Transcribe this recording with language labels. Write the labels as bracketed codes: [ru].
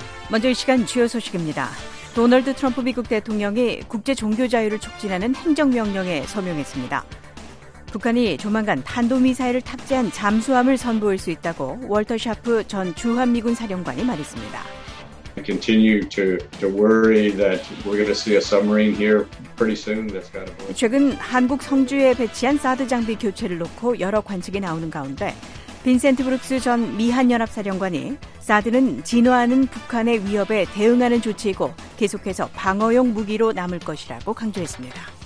[ko] 먼저 이 시간 주요 소식입니다. 도널드 트럼프 미국 대통령이 국제 종교 자유를 촉진하는 행정명령에 서명했습니다. 북한이 조만간 탄도미사일을 탑재한 잠수함을 선보일 수 있다고 월터 샤프 전 주한미군 사령관이 말했습니다. [en] I continue to worry that we're going to see a submarine here pretty soon. That's got to be. [ko] 최근 한국 성주에 배치한 사드 장비 교체를 놓고 여러 관측이 나오는 가운데 빈센트 브룩스 전 미한연합사령관이 사드는 진화하는 북한의 위협에 대응하는 조치이고 계속해서 방어용 무기로 남을 것이라고 강조했습니다.